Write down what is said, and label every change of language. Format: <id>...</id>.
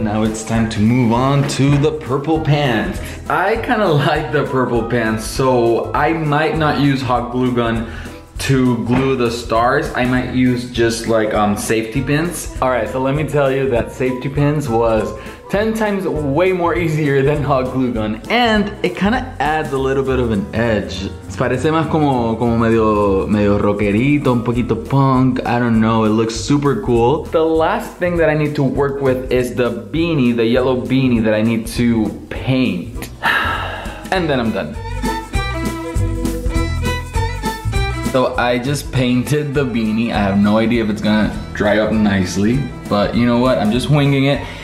<en>Now it's time to move on to the purple pants. I kind of like the purple pants, so I might not use hot glue gun to glue the stars. I might use just like safety pins. All right, so let me tell you that safety pins was 10 times way more easier than hot glue gun, and it kind of adds a little bit of an edge.</en> <es>Parece más como medio rockerito, un poquito punk.</es> <en>I don't know, it looks super cool. The last thing that I need to work with is the beanie, the yellow beanie that I need to paint. And then I'm done. So I just painted the beanie. I have no idea if it's gonna dry up nicely, but you know what, I'm just winging it.</en>